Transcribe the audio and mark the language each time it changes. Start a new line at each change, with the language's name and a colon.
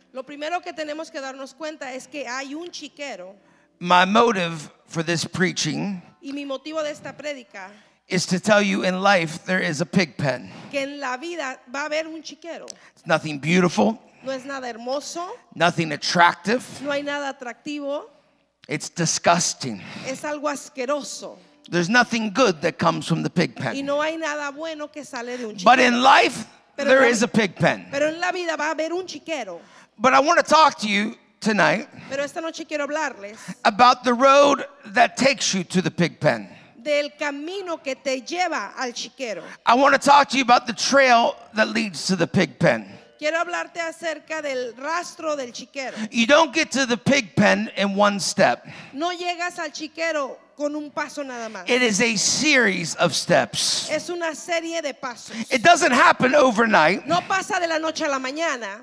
Spanish: Lo primero que tenemos que darnos cuenta es que hay un chiquero.
English: My motive for this preaching,
Spanish: y mi motivo de esta predica,
English: is to tell you in life there is a pig pen.
Spanish: Que en la vida va a haber un chiquero.
English: It's nothing beautiful.
Spanish: No es nada hermoso.
English: Nothing attractive.
Spanish: No hay nada atractivo.
English: It's disgusting.
Spanish: Es algo asqueroso.
English: There's nothing good that comes from the pig pen.
Spanish: Y no hay nada bueno que sale de un chiquero.
English: But in life, there is a pig pen.
Spanish: Pero en la vida va a haber un chiquero.
English: But I want to talk to you tonight.
Spanish: Pero esta noche quiero hablarles
English: about the road that takes you to the pig pen.
Spanish: Del camino que te lleva al chiquero.
English: I want to talk to you about the trail that leads to the pig pen.
Spanish: Quiero hablarte acerca del rastro del chiquero.
English: You don't get to the pig pen in one step.
Spanish: No llegas al chiquero con un paso nada más.
English: It is a series of steps.
Spanish: Es una serie de pasos.
English: It doesn't happen overnight.
Spanish: No pasa de la noche a la mañana.